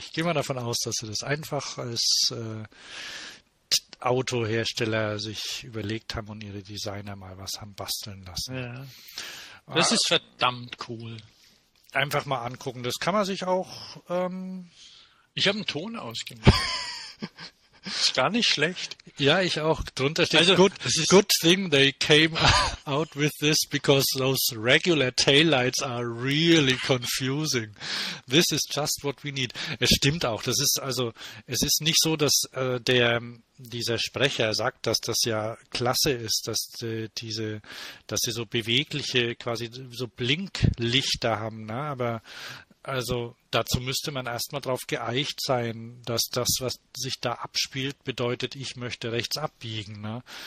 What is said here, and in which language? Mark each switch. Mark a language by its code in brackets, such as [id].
[de] Ich gehe mal davon aus, dass sie das einfach als Autohersteller sich überlegt haben und ihre Designer mal was haben basteln lassen. Ja. Das ist verdammt cool. Einfach mal angucken, das kann man sich auch... Ich habe einen Ton ausgemacht. Ist gar nicht schlecht. Ja, ich auch. Drunter steht, also, [en] good thing they came out with this because those regular taillights are really confusing. This is just what we need. [de] Es stimmt auch. Das ist also, es ist nicht so, dass dieser Sprecher sagt, dass das ja klasse ist, dass sie so bewegliche, quasi so Blinklichter haben, ne? Aber also dazu müsste man erstmal drauf geeicht sein, dass das, was sich da abspielt, bedeutet, ich möchte rechts abbiegen. Ne?